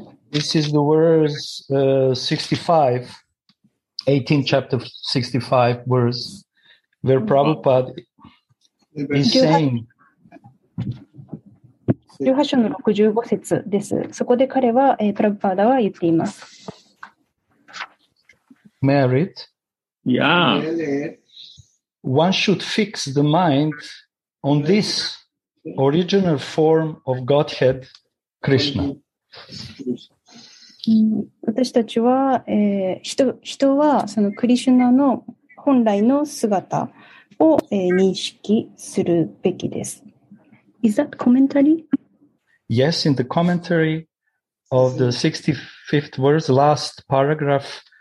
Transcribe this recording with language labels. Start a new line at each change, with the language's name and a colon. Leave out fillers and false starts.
English: This is the verse 65, 18th chapter 65 verse, where Prabhupada is saying.
Japanese: 18章の65節です。そこで彼は、プラブパーダは言っています。
English: Merit, yeah. One should fix the mind on this original form of Godhead, Krishna.
Japanese: 私たちは、人はそのクリシュナの本来の姿を、認識するべきです。
English: Is that commentary? Yes, in the commentary of the 65th verse, last paragraph.